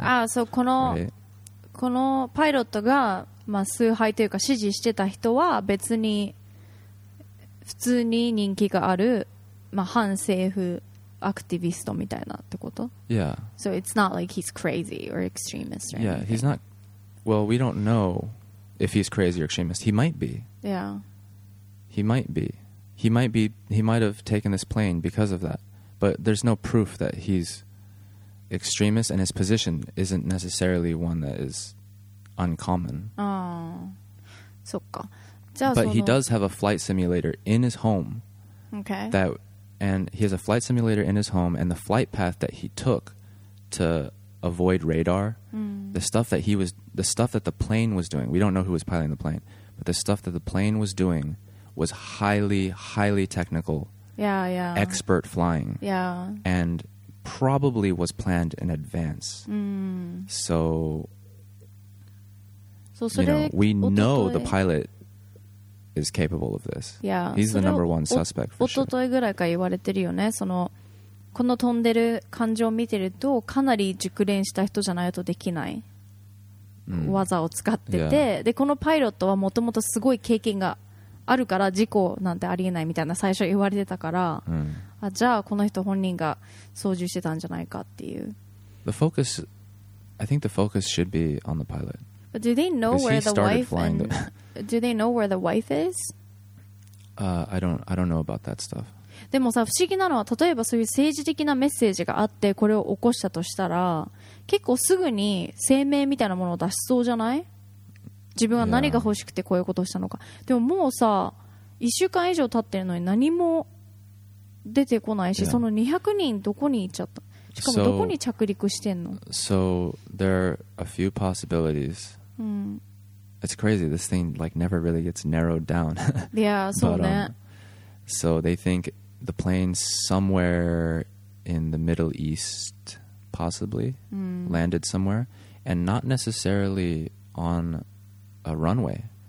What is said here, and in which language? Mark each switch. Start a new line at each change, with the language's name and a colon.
Japanese: Ah, so このパイロットがまあ崇拝というか支持してた人は別に普通に人気があるまあ反政府アクティビストみたいなってこと?
English: Yeah. So it's not like he's crazy or extremist, right? Yeah, he's not. Well, we don't know if he's crazy or extremist. He might be. Yeah. He might have taken this plane because of that. But there's no proof that he's extremist, and his position isn't necessarily one that is uncommon. Oh, so か. But he does have a flight simulator in his home. Okay. And the flight path that he took to avoid radar, the stuff that the plane was doing, we don't know who was piloting the plane, but the stuff that the plane was doing was highly, highly technical. Yeah, yeah. Expert flying. Yeah. And probably was planned in advance. Mm. So you know, we know the pilot is capable of this. Yeah. He's the number one suspect for sure.
Japanese: 一昨日ぐらいから言われてるよね。その、この飛んでる感じを見てると、かなり熟練した人じゃないとできない。技を使ってて、
English: yeah.
Japanese: で、このパイロットはもともとすごい経験があるから事故なんてありえないみたいな最初言われてたから、うん、あじゃあこの人本人が操縦してたんじゃないかっていう
English: The focus I think the focus should be on the pilot. But do they know where the wife is? Do they know where the wife is? I don't know about that stuff.
Japanese: でもさ不思議なのは例えばそういう政治的なメッセージがあってこれを起こしたとしたら結構すぐに声明みたいなものを出しそうじゃない? 自分は何が欲しくてこういうことをしたのか、
English: yeah.
Japanese: でももうさ1週間以上経ってるのに何も出てこないし、
English: yeah.
Japanese: その200人どこに行っちゃったしかもどこに着陸してんの
English: So there are a few possibilities、 mm. It's crazy this thing like never really gets narrowed down
Japanese: Yeah そうね
English: But, So they think the plane somewhere in the Middle East possibly、 mm. landed somewhere and not necessarily ona runway、